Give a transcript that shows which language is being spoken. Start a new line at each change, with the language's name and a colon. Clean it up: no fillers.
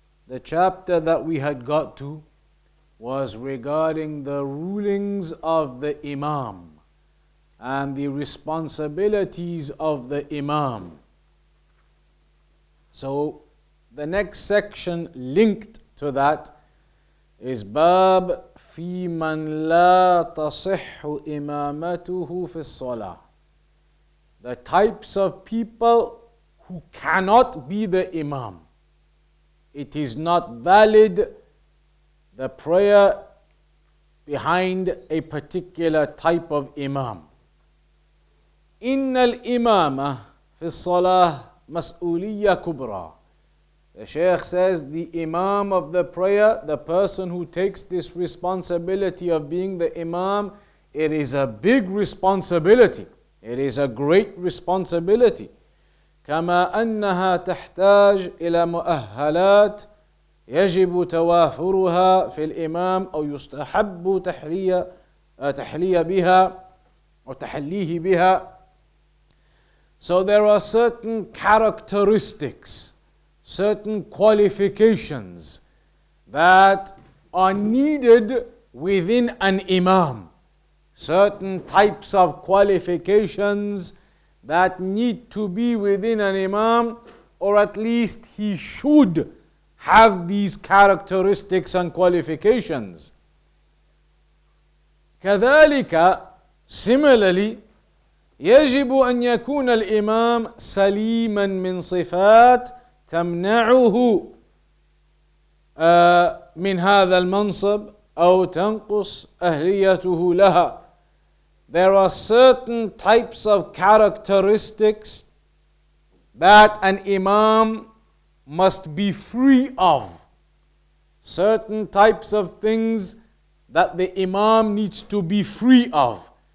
English: The chapter that we had got to was regarding the rulings of the Imam and the responsibilities of the Imam. So the next section linked to that is Bab
Arabic: في من لا تصح إمامته في الصلاة.
English: The types of people who cannot be the imam. It is not valid the prayer behind a particular type of imam.
Arabic: إن الإمامة في الصلاة مسؤولية كبرى.
English: The Shaykh says, the Imam of the prayer, the person who takes this responsibility of being the Imam, it is a big responsibility. It is a great responsibility.
Arabic: كما أنها تحتاج إلى مؤهلات يجب توافرها في الإمام أو يستحب تحلي بها أو تحليه بها.
English: So there are certain characteristics, certain qualifications that are needed within an imam. Certain types of qualifications that need to be within an imam, or at least he should have these characteristics and qualifications.
Arabic: كذلك,
English: similarly,
Arabic: يجب أن يكون الإمام سليما من صفات تمنعه من هذا المنصب أو تنقص أهليته لها.
English: There are certain types of characteristics that an imam must be free of. Certain types of things that the imam needs to be free of.